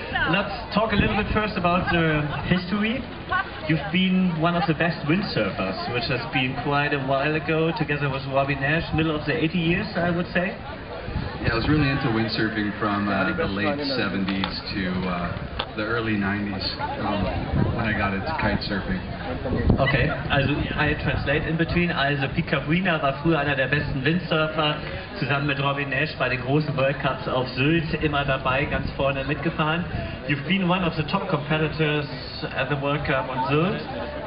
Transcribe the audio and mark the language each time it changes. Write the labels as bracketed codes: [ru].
[en] Let's talk a little bit first about the history. You've been one of the best windsurfers, which has been quite a while ago, together with Robbie Nash, middle of the 80 years, I would say. Yeah, I was really into windsurfing from the late 70s to the early 90s, when I got into kite surfing. Okay, also I translate in between. [de] Also Piet Cabuina war früher einer der besten Windsurfer, zusammen mit Robbie Nash bei den großen World Cups auf Sylt, immer dabei, ganz vorne mitgefahren. [en] You've been one of the top competitors at the World Cup on Sylt.